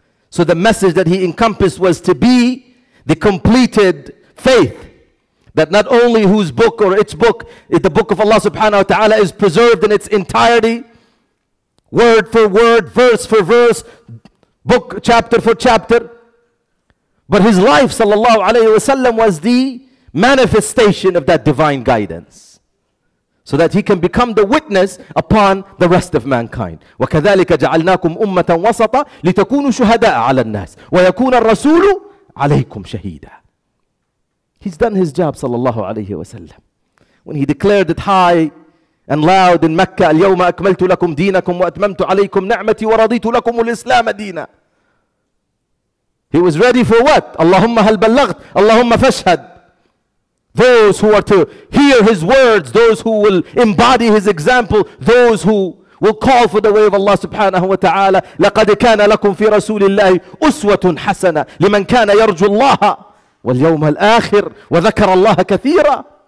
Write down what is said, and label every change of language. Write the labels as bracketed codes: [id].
[en] So the message that he encompassed was to be the completed faith, that not only whose book or its book, the book of Allah subhanahu wa ta'ala, is preserved in its entirety, word for word, verse for verse, book, chapter for chapter, but his life sallallahu alayhi wasallam was the manifestation of that divine guidance, so that he can become the witness upon the rest of mankind. [ar] وَكَذَلِكَ جَعَلْنَاكُمْ أُمَّةً وَسَطًا لِتَكُونُوا شُهَدَاءَ عَلَى النَّاسِ وَيَكُونَ الرَّسُولُ عَلَيْكُمْ شَهِيدًا. [en] He's done his job sallallahu alayhi wasallam. When he declared it high and loud in Mecca, [ar] الْيَوْمَ أَكْمَلْتُ لَكُمْ دِينَكُمْ وَأَتْمَمْتُ عَلَيْكُمْ نَعْمَتِي وَرَضِيتُ لَكُمُ الْإِسْلَامَ دِينًا. [en] He was ready for what? [ar] اللهم هل بلغت؟ اللهم فاشهد. [en] Those who are to hear his words, those who will embody his example, those who will call for the way of Allah subhanahu wa ta'ala. [ar] لَقَدْ كَانَ لَكُمْ فِي رَسُولِ اللَّهِ أُسْوَةٌ حَسَنَةٌ لِمَنْ كَانَ يَرْجُ اللَّهَ وَالْيَوْمَ الْآخِرِ وَذَكَرَ اللَّهَ كَثِيرًا.